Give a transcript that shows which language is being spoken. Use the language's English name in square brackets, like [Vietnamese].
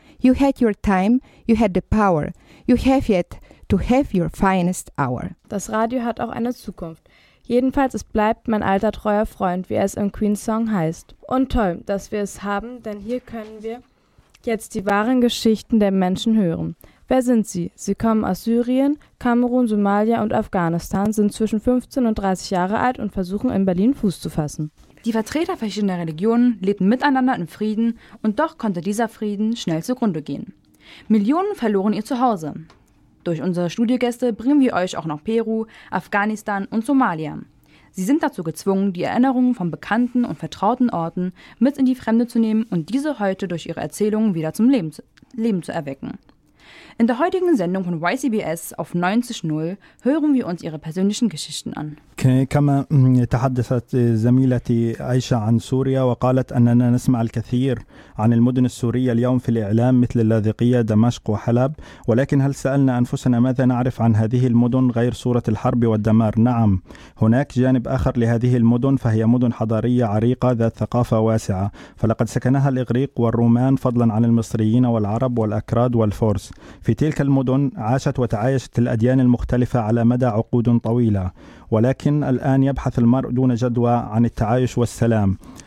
[English] You had your time, you had the power, you have yet to have your finest hour. [German] Das Radio hat auch eine Zukunft. Jedenfalls, es bleibt mein alter treuer Freund, wie es im Queen Song heißt. Und toll, dass wir es haben, denn hier können wir jetzt die wahren Geschichten der Menschen hören. Wer sind sie? Sie kommen aus Syrien, Kamerun, Somalia und Afghanistan, sind zwischen 15 und 30 Jahre alt und versuchen in Berlin Fuß zu fassen. Die Vertreter verschiedener Religionen lebten miteinander in Frieden und doch konnte dieser Frieden schnell zugrunde gehen. Millionen verloren ihr Zuhause. Durch unsere Studiogäste bringen wir euch auch nach Peru, Afghanistan und Somalia. Sie sind dazu gezwungen, die Erinnerungen von bekannten und vertrauten Orten mit in die Fremde zu nehmen und diese heute durch ihre Erzählungen wieder zum Leben zu erwecken. In der heutigen Sendung von YCBS auf 90.0 hören wir uns ihre persönlichen Geschichten an. [Arabic] كما تحدثت زميلتي عائشة عن سوريا وقالت أننا نسمع الكثير عن المدن السورية اليوم في الإعلام مثل اللاذقية دمشق وحلب ولكن هل سألنا أنفسنا ماذا نعرف عن هذه المدن غير صورة الحرب والدمار؟ نعم هناك جانب آخر لهذه المدن فهي مدن حضارية عريقة ذات ثقافة واسعة فلقد سكنها الإغريق والرومان فضلا عن المصريين والعرب والأكراد والفرس في تلك المدن عاشت وتعايشت الأديان المختلفة على مدى عقود طويلة ولكن الآن يبحث المرء دون جدوى عن التعايش والسلام